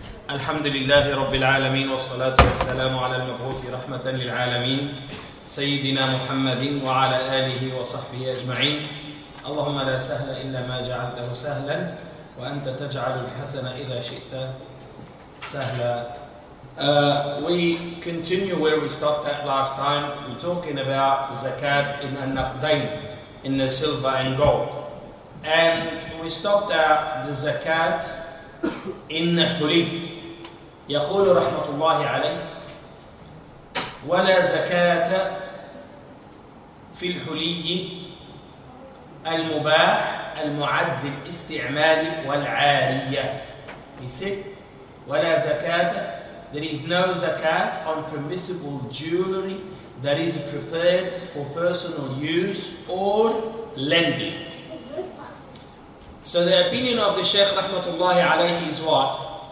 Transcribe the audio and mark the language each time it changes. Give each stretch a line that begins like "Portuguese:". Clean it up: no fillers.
Arabic: الحمد لله رب العالمين، والصلاة والسلام على المبعوث رحمة للعالمين سيدنا محمد وعلى آله وصحبه أجمعين. اللهم لا سهل إلا ما جعلته سهلا، وأنت تجعل الحسن إذا شئت سهلا.
English: We continue where we stopped at last time. We're talking about zakat in النقدين, in the silver and gold. And we stopped at the zakat in حلي.
Arabic: يقول رحمة الله عليه ولا زكاة في الحلي المباح المعد الاستعمال والعارية.
English: He said
Arabic: ولا زكاة,
English: there is no zakat on permissible jewelry that is prepared for personal use or lending. So the opinion of the Shaykh rahmatullahi alayhi is what?